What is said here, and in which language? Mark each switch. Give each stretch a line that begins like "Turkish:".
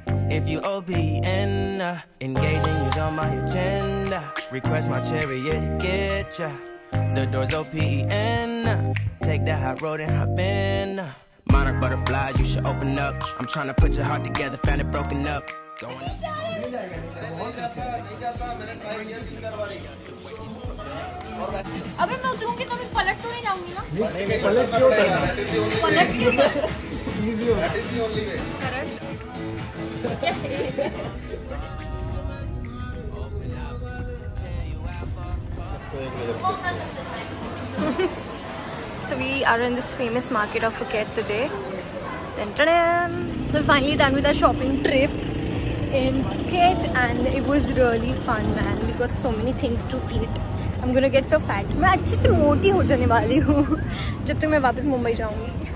English: If you OPN, engaging is on my agenda. Request my chariot, get ya. The door's OPN, take the hot road and hop in. Monarch butterflies, you should open up. I'm trying to put your heart together, found it broken up. Going up.
Hindi: अबे मैं उतरूंगी तो मैं पलट तो नहीं जाऊंगी ना। पलट क्यों करना? पलट क्यों?
English: That is the only way. Correct. So we are in this famous market of Phuket today. Then we're finally done with our shopping trip. In Phuket, and it was really fun, man. We got so many things to eat. I'm gonna get so fat.
Hindi: मैं अच्छे से मोटी हो जाने वाली हूँ जब तक मैं वापस मुंबई जाऊँगी.